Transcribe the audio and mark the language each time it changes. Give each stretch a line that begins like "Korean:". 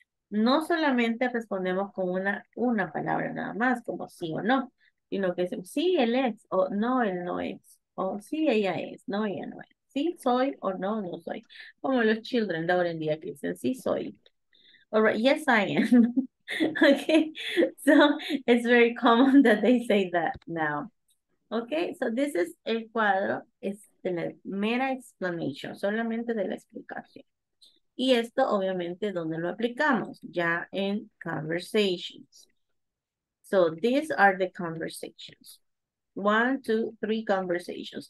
Spanish: No solamente respondemos con una palabra nada más, como sí o no, sino que decimos, sí, él es, o no, él no es, o sí, ella es, no, ella no es. Sí, soy, o no, no soy. Como los children de ahora en día que dicen, sí, soy.
English: All right, yes, I am. Okay, so it's very common that they say that now. Okay, so this is
Spanish: el cuadro. Es de la mera explanation, solamente de la explicación. Y esto, obviamente, ¿dónde lo aplicamos? Ya en conversations.
English: So, these are the conversations. 1, 2, 3 conversations.